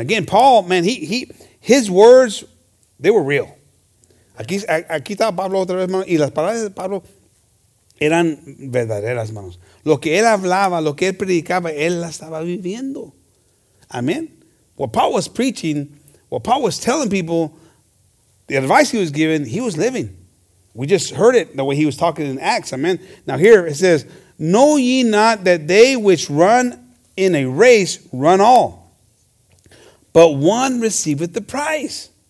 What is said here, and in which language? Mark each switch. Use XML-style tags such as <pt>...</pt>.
<en>Again, Paul, man, his words, they were real.</en> <es>Aquí está Pablo otra vez, hermanos. Y las palabras de Pablo eran verdaderas, hermanos. Lo que él hablaba, lo que él predicaba, él la estaba viviendo. Amén.</es> <en>What Paul was preaching, what Paul was telling people, the advice he was giving, he was living. We just heard it the way he was talking in Acts. Amen. Now here it says, know ye not that they which run in a race run all, but one receiveth the prize.</en>